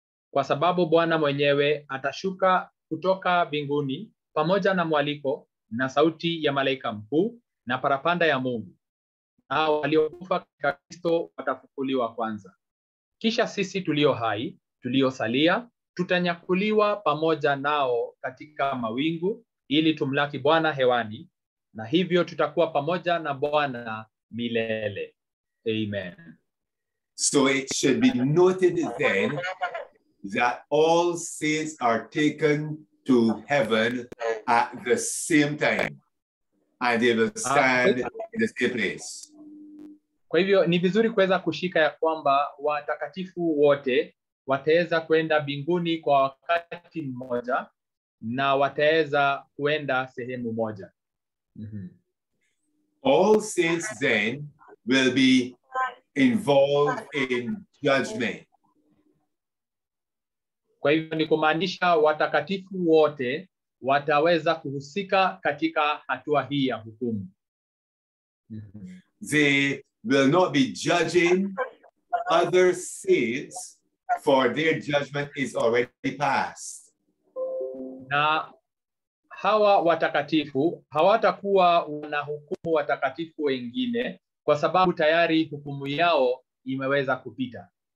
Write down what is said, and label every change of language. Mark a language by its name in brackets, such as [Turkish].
[Swahili] kwa sababu Bwana mwenyewe atashuka kutoka binguni, pamoja na mwaliko na sauti ya malaika mkuu na parapanda ya Mungu na waliokufa katika Kristo watafufuliwa kwanza kisha sisi tulio hai tuliosalia tutanyakuliwa pamoja nao katika mawingu ili tumlaki Bwana hewani na hivyo tutakuwa pamoja na Bwana milele. Amen. [English] So it should be noted then that all saints are taken to heaven at the same time and they will stand in the same place. [Swahili] Kwa hivyo ni vizuri kuweza kushika ya kwamba watakatifu wote wataweza kwenda mbinguni kwa wakati mmoja na wataweza kwenda sehemu moja. [English] All saints then will be involved in judgment. [Swahili] Kwa hivyo ni kumaanisha watakatifu wote wataweza kuhusika katika hatua hii ya hukumu. [English] They will not be judging other saints for their judgment is already passed. [Swahili] Na hawa watakatifu hawatakuwa wanahukumu watakatifu wengine kwa sababu tayari hukumu yao imeweza kupita.